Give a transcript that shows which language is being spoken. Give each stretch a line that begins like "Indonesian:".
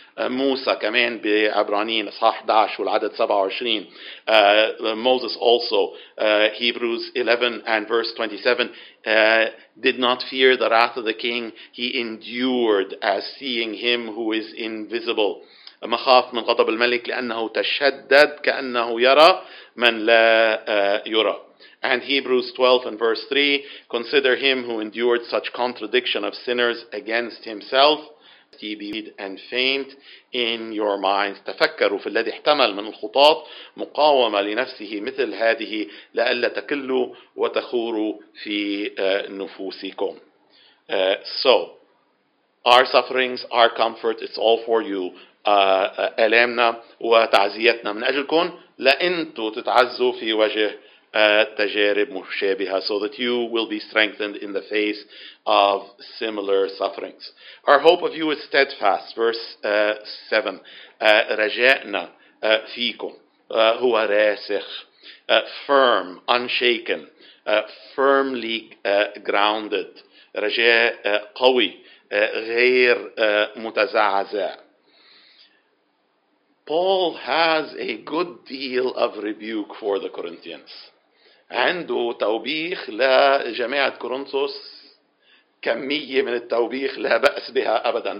Arabic: موسى كمان بعبرانيين صح 11 والعدد 27.
English: Moses also, Hebrews 11 and verse 27, did not fear the wrath of the king. He endured as seeing him who is invisible.
Arabic: مخاف من غضب الملك لأنه تشدد كأنه يرى من لا يرى.
English: And Hebrews 12 and verse 3, consider him who endured such contradiction of sinners against himself, he be weak and faint in your minds.
Arabic: تفكروا في الذي احتمل من الخطاة مقاومة لنفسه مثل هذه لألا تكلوا وتخوروا في نفوسكم.
English: So, our sufferings, our comfort, it's all for you.
Arabic: ألامنا وتعزيتنا من أجلكم لأنتوا تتعزوا في وجه تجارب مشابهة.
English: So that you will be strengthened in the face of similar sufferings. Our hope of you is steadfast. Verse 7.
Arabic: رجاءنا فيكم هو راسخ.
English: Firm, unshaken. Firmly grounded.
Arabic: رجاء قوي. غير متزعزع.
English: Paul has a good deal of rebuke for the Corinthians.
Arabic: عنده توبيخ لجماعة كورنثوس كمية من التوبيخ لا بأس بها أبدا.